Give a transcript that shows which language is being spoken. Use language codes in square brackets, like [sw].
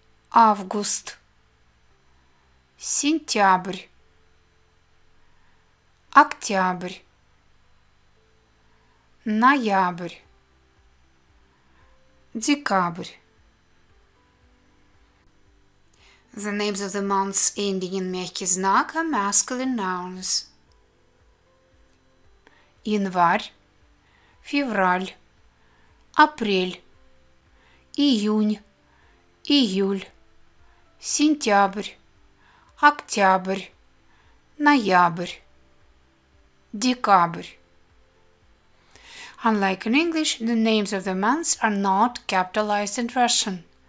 [ru] август, сентябрь, октябрь, ноябрь, декабрь. [en] The names of the months ending in мягкий знак are masculine nouns. [ru] Январь, февраль, апрель, июнь, июль, сентябрь, октябрь, ноябрь, декабрь. [en] Unlike in English, the names of the months are not capitalized in Russian.